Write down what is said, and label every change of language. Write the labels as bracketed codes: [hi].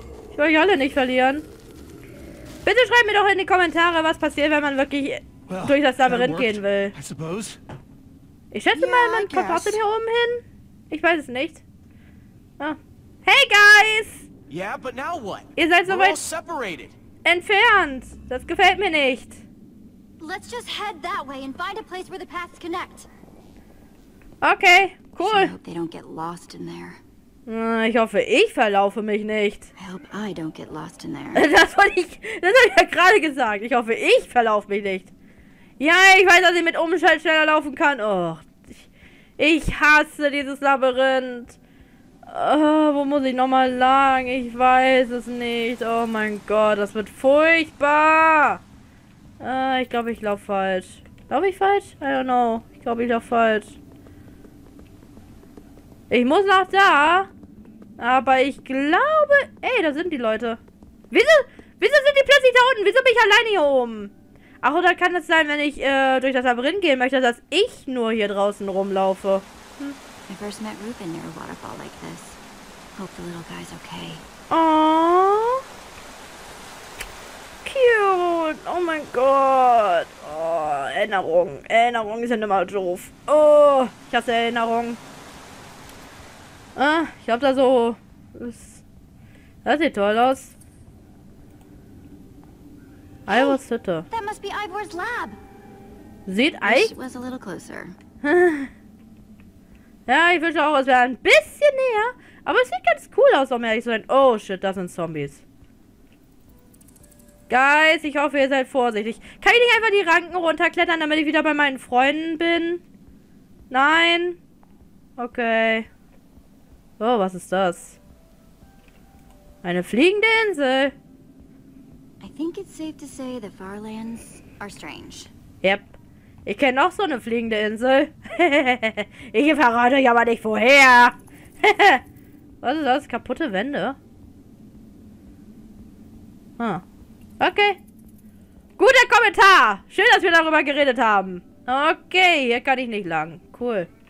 [de] Ich will euch alle nicht verlieren. Bitte schreibt mir doch in die Kommentare, was passiert, wenn man wirklich durch das Labyrinth gehen will. Ich schätze mal, man verpasst hier oben hin. Ich weiß es nicht. Ah. [en] Hey, guys! Yeah, but now what? [de] Ihr seid so weit entfernt. Das gefällt mir nicht. [en] Let's just head that way and find a place where the paths connect. Okay, cool. So I hope they don't get lost in there. [de] Ich hoffe, ich verlaufe mich nicht. [en] I hope I don't get lost in there. [de] Das hab ich ja gerade gesagt. Ich hoffe, ich verlaufe mich nicht. Ja, ich weiß, dass ich mit Umschalt schneller laufen kann. Oh, ich hasse dieses Labyrinth. Oh, wo muss ich nochmal lang? Ich weiß es nicht. Oh mein Gott, das wird furchtbar. Ich glaube, ich laufe falsch. Laufe ich falsch? [en] I don't know. [de] Ich glaube, ich laufe falsch. Ich muss nach da. Aber ich glaube... Ey, da sind die Leute. Wieso sind die plötzlich da unten? Wieso bin ich alleine hier oben? Ach, oder kann es sein, wenn ich durch das Labyrinth gehen möchte, dass ich nur hier draußen rumlaufe? [en] Hm. I first met Ruben near a waterfall like this. Hope the little guy's okay. Aww. [de] Cute. Oh mein Gott. Oh, Erinnerung. Erinnerungen sind immer doof. Oh, ich hasse Erinnerungen. Ah, ich hab da so... Das sieht toll aus. Hey, Ivor's Hütte. [en] That must be Ivor's lab. [de] Sieht [en] was a little closer. [de] Ja, ich wünschte auch, es wäre ein bisschen näher. Aber es sieht ganz cool aus, um ehrlich zu sein. Oh shit, das sind Zombies. Guys, ich hoffe, ihr seid vorsichtig. Kann ich nicht einfach die Ranken runterklettern, damit ich wieder bei meinen Freunden bin? Nein? Okay. Oh, was ist das? Eine fliegende Insel. [en] I think it's safe to say the Farlands are strange. Yep. [de] Ich kenne auch so eine fliegende Insel. Ich verrate euch aber nicht vorher. Was ist das? Kaputte Wände? Huh. Okay. Guter Kommentar. Schön, dass wir darüber geredet haben. Okay, hier kann ich nicht lang. Cool.